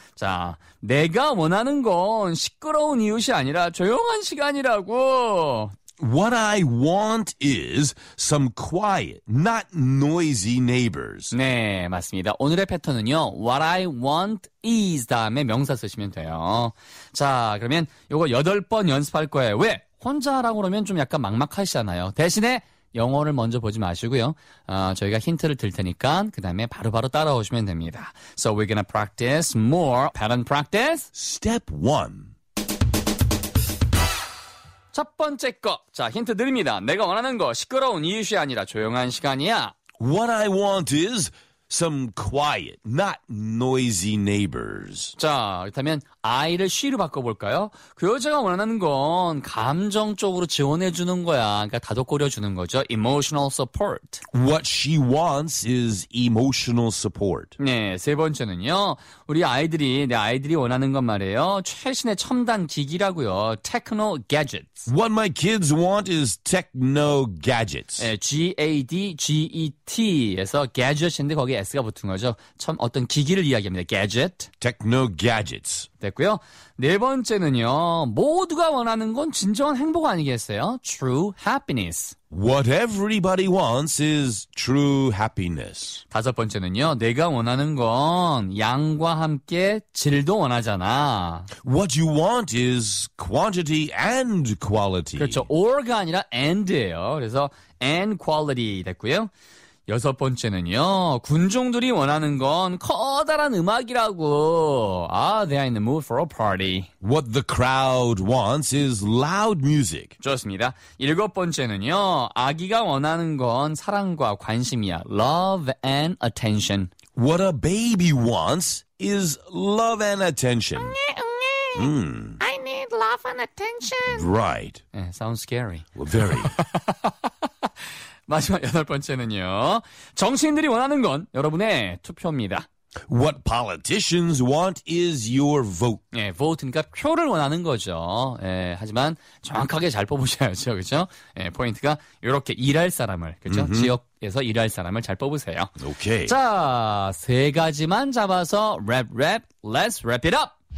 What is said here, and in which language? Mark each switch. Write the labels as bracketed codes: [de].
[ko] 자, 내가 원하는 건 시끄러운 이웃이 아니라 조용한 시간이라고. [en] What I want is some quiet, not noisy neighbors. [ko] 네, 맞습니다. 오늘의 패턴은요. [en] What I want is [ko] 다음에 명사 쓰시면 돼요. 자, 그러면 이거 8번 연습할 거예요. 왜? 혼자 하라고 그러면 좀 약간 막막하시잖아요. 대신에 영어를 먼저 보지 마시고요. 저희가 힌트를 드릴 테니까 그 다음에 바로바로 따라오시면 됩니다. [en] So we're gonna practice more pattern practice. Step 1. [ko] 첫 번째 거. 자, 힌트 드립니다. 내가 원하는 거 시끄러운 이웃이 아니라 조용한 시간이야. [en] What I want is some quiet, not noisy neighbors. [ko] 자, 그렇다면 I를 she로 바꿔볼까요? 그 여자가 원하는 건 감정적으로 지원해주는 거야. 그러니까 다독거려주는 거죠. [en] Emotional support. What she wants is emotional support. [ko] 네, 세 번째는요. 우리 아이들이, 내 아이들이 원하는 건 말이에요. 최신의 첨단 기기라고요. [en] Techno gadgets. What my kids want is techno gadgets. [ko] 네, G-A-D-G-E-T에서 gadgets인데 거기에 S가 붙은 거죠. 참 어떤 기기를 이야기합니다. [en] Gadget. Techno gadgets. [ko] 됐고요. 네 번째는요. 모두가 원하는 건 진정한 행복 아니겠어요? [en] True happiness. What everybody wants is true happiness. [ko] 다섯 번째는요. 내가 원하는 건 양과 함께 질도 원하잖아. [en] What you want is quantity and quality. [ko] 그렇죠. or가 아니라 and예요. 그래서 and quality 됐고요. 여섯 번째는요. 군중들이 원하는 건 커다란 음악이라고. [en] They are in the mood for a party. What the crowd wants is loud music. [ko] 좋습니다. 일곱 번째는요. 아기가 원하는 건 사랑과 관심이야. [en] Love and attention. What a baby wants is love and attention. 응애, 응애. I need love and attention. Right. Yeah, sounds scary. Well, very. [ko] 마지막 여덟 번째는요. 정치인들이 원하는 건 여러분의 투표입니다. [en] What politicians want is your vote. [ko] 네, vote니까 표를 원하는 거죠. 네, 하지만 정확하게 잘 뽑으셔야죠. 그렇죠? 네, 포인트가 이렇게 일할 사람을, 그렇죠? Mm-hmm. 지역에서 일할 사람을 잘 뽑으세요. 오케이. 자, 세 가지만 잡아서 랩, [en] let's wrap it up.